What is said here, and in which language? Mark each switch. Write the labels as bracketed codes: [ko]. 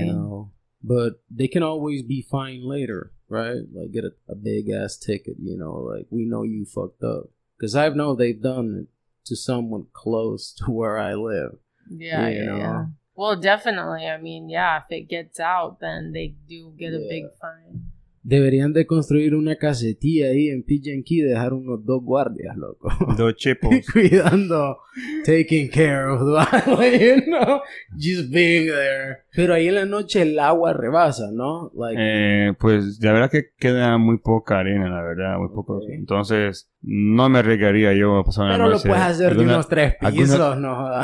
[en] You know, but they can always be fine later. Right? Like, get a big-ass ticket, you know? Like, we know you fucked up. Because I know they've done it to someone close to where I live. Yeah. Well, definitely. I mean, yeah, if it gets out, then they do get a big fine. [es] Deberían de construir una casetilla ahí en Pigeon Key, dejar unos dos guardias, loco. Dos chipos. [en] Cuidando, taking care of the island, you know? Just being there. [es] Pero ahí en la noche el agua rebasa, ¿no? Like, pues, la verdad que queda muy poca arena, la verdad, muy poco. Okay. Entonces, no me arriesgaría yo a pasar una noche. Pero lo puedes hacer de unos tres pisos, no jodas.